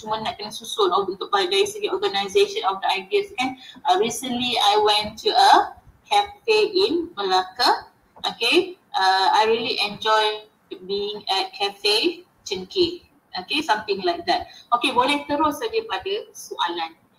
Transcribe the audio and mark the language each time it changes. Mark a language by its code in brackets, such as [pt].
[ms] Cuma nak kena susun untuk dari segi [en] organization of the ideas [ms] kan. [en] Recently, I went to a cafe in Melaka. Okay, I really enjoy being at Cafe Cengkih. Okay, something like that. [ms] Okay, boleh terus saja pada soalan.